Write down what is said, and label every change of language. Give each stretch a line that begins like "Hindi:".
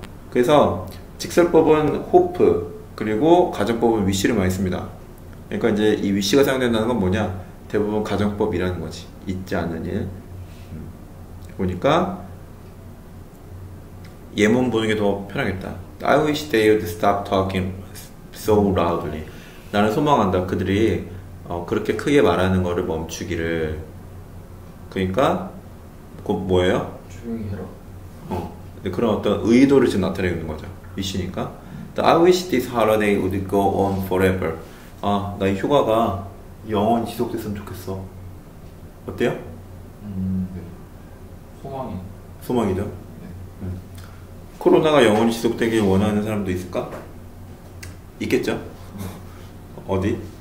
Korean: 그래서 직설법은 hope 그리고 가정법은 wish를 많이 씁니다. 그러니까 이제 이 wish가 사용된다는 건 뭐냐? 대부분 가정법이라는 거지. 있지 않은 일. 보니까 예문 보는 게 더 편하겠다.
English: I wish they would stop talking so loudly.
Korean: 나는 소망한다. 그들이 그렇게 크게 말하는 거를 멈추기를. 그러니까 그 뭐예요? 조용히 해라. 그런 어떤 의도를 지금 나타내는 거죠. wish니까.
English: I wish this holiday would go on forever.
Korean: 아, 나 이 휴가가 영원히 지속됐으면 좋겠어. 어때요? 네. 소망이. 소망이죠? 네. 코로나가 영원히 지속되길 원하는 사람도 있을까? 있겠죠? 어디?